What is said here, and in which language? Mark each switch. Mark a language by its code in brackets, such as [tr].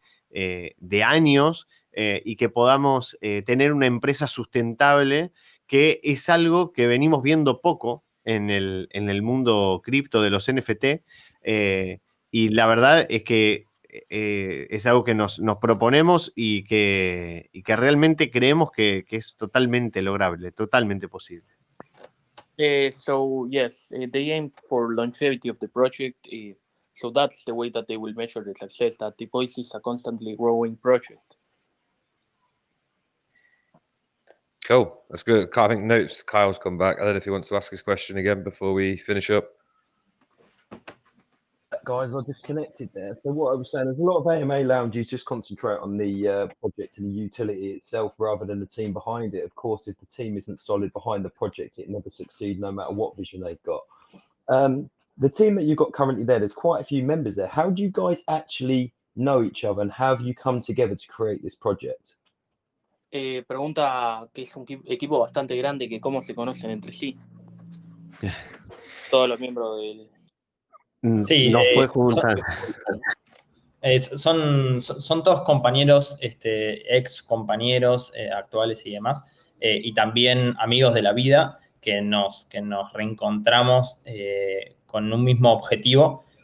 [es] de años y que podamos tener una empresa sustentable, que es algo que venimos viendo poco en el mundo cripto de los NFT. Y la verdad es que es algo que nos proponemos y que realmente creemos que es totalmente lograble, totalmente posible. [en] They aimed for longevity of the project. So that's the way that they will measure the success, that the Voice is a constantly growing project. Cool, that's good. I think notes, Kyle's come back. I don't know if he wants to ask his question again before we finish up. Guys, I disconnected there. So what I was saying is a lot of AMA lounges just concentrate on the project and the utility itself rather than the team behind it. Of course, if the team isn't solid behind the project, it never succeeds no matter what vision they've got. The team that you've got currently there's quite a few members there. How do you guys actually know each other and how have you come together to create this project? [es] Pregunta que es un equipo bastante grande, que cómo se conocen entre sí. Todos los miembros del... Sí, no fue juntos. Son todos compañeros, ex compañeros actuales y demás, y también amigos de la vida que nos reencontramos con un mismo objetivo.